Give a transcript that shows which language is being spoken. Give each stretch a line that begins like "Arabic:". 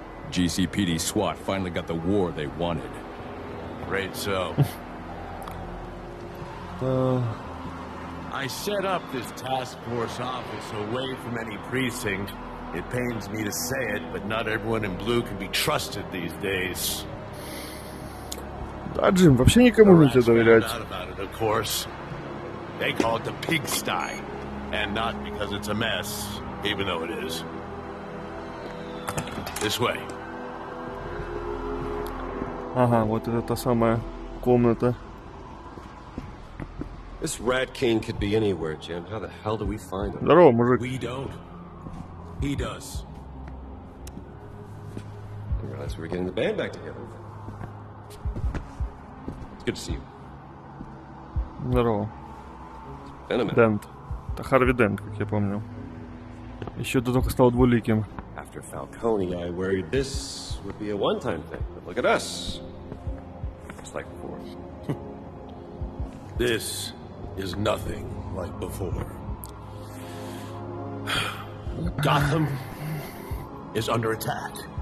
English: GCPD SWAT finally got the war they wanted. Great so. I set up this task force office away from any precinct. It pains me to say it, but not everyone in blue can be trusted these days.
Russian: Да, Джим, вообще никому нельзя доверять.
English: Of course. They call it the pigsty, and not because it's a mess, even though it is. This way.
Russian: Ага, вот это та самая комната.
English: This rat king could be anywhere, Jim. How the hell do we find him?
Russian: Здорово, мужик.
English: We don't. He does. I didn't realize we were getting the band back together. It's good to see you.
Russian: Здорово.
English: Venom.
Russian: Дент. Это Харви Дент, как я помню. Еще до того стал двуликим.
English: After Falcone, I worried this would be a one-time thing. But look at us. Just like before. This is nothing like before. Gotham is under attack.